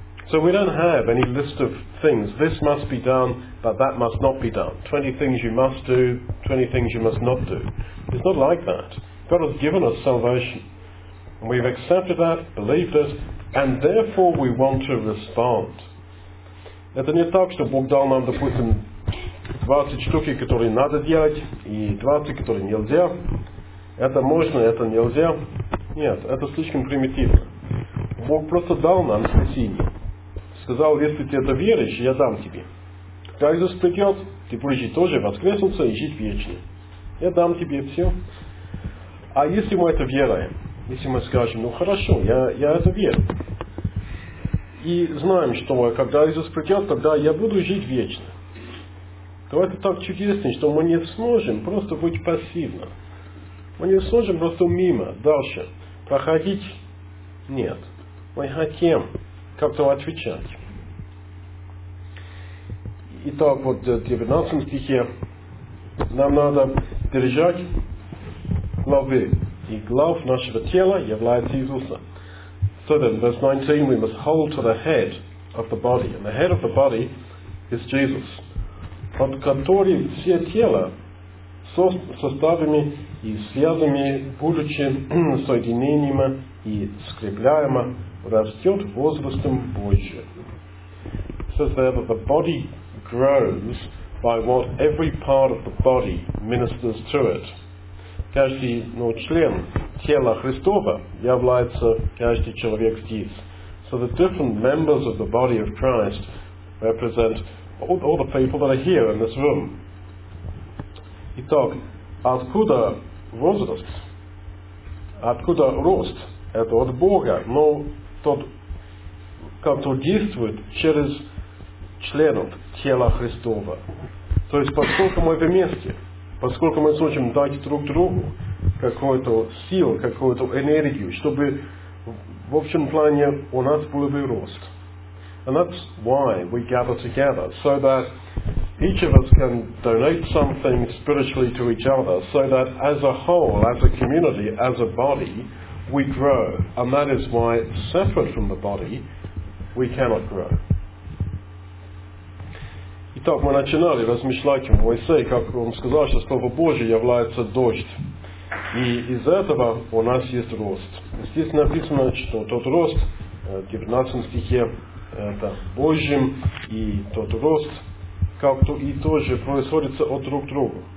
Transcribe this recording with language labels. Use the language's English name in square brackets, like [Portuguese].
[English] So we don't have any list of things. This must be done, but that must not be done. 20 things you must do, 20 things you must not do. It's not like that. God has given us salvation. We've accepted that, believed it, and therefore we want to respond. [Russian] Это не так, что Бог дал нам, допустим, 20 штук, которые надо делать, и 20, которые нельзя. Это можно, это нельзя. Нет, это слишком примитивно. Бог просто дал нам спасение. Сказал, если ты это веришь, я дам тебе. Как Иисус придет, ты будешь тоже воскреснуться и жить вечно. Я дам тебе все. А если мы это веруем, если мы скажем, ну хорошо, я это верю. И знаем, что когда Иисус придет, тогда я буду жить вечно. То это так чудесно, что мы не сможем просто быть пассивно. Мы не сможем просто мимо, дальше. Проходить? Нет. Мы хотим как-то отвечать. Итак, вот в 19 стихе нам надо держать главы. И глав нашего тела является Иисуса. [English] So then, verse 19, we must hold to the head of the body. And the head of the body is Jesus. [Russian] От которой все тело составами и связами, будучи соединениями и скрепляемо, растет возрастом Божьим. [English] It says there that the body grows by what every part of the body ministers to it. [Russian] Каждый, ну, член тела Христова является каждый человек здесь. [English] So the different members of the body of Christ represent all the people that are here in this room. [Russian] Итак, откуда возраст? Откуда рост? Это от Бога, но тот, кто действует через членов тела Христова. То есть, поскольку мы вместе, поскольку мы сможем дать друг другу какую-то силу, какую-то энергию, чтобы в общем плане у нас был бы рост. [English] And that's why we gather together, so that each of us can donate something spiritually to each other, so that as a whole, as a community, as a body, we grow. And that is why, separate from the body, we cannot grow. [Russian] Итак, мы начинали размышлять о Моисее, как он сказал, что Слово Божие является дождь. И из этого у нас есть рост. Здесь написано, что тот рост, в 19 стихе, это Божьим, и тот рост как-то и тоже происходится от друг друга.